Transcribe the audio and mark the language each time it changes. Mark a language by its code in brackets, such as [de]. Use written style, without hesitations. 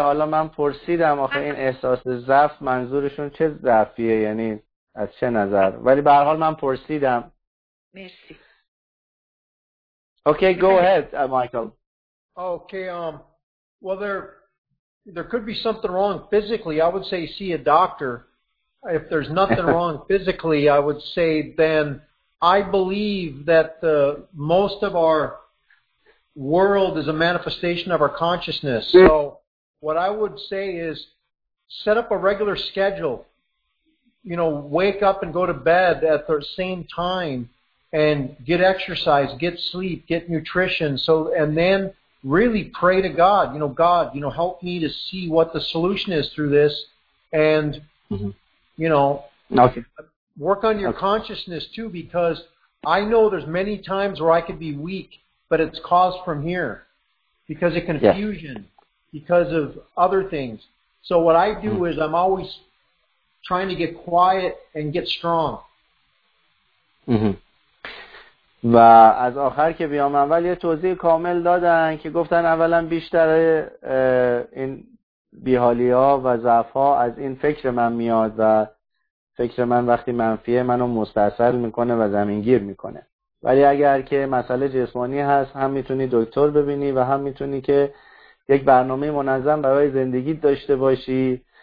[fa] حالا من پرسیدم آخه این احساس ضعف منظورشون چه ضعفیه، یعنی از چه نظر، ولی به هر حال من پرسیدم. مرسی. [en] Okay, go ahead, Michael. Okay, well there could be something wrong physically. I would say see a doctor. If there's nothing wrong physically, I would say then I believe that the most of our world is a manifestation of our consciousness. So what I would say is set up a regular schedule. You know, wake up and go to bed at the same time and get exercise, get sleep, get nutrition. So, and then really pray to God, you know, God, you know, help me to see what the solution is through this. And, you know, work on your consciousness too, because I know there's many times where I could be weak, but it's caused from here because of confusion, because of other things. So what I do is I'm always trying to get quiet and get strong. [fa] و از آخر که بیام اول یه توضیح کامل دادن که گفتن اولا بیشتر این بیحالی ها و ضعف ها از این فکر من میاد و فکر من وقتی منفیه منو مستأصل میکنه و زمینگیر میکنه، ولی اگر که مسئله جسمانی هست هم میتونی دکتر ببینی و هم میتونی که یک برنامه منظم برای زندگی داشته باشی،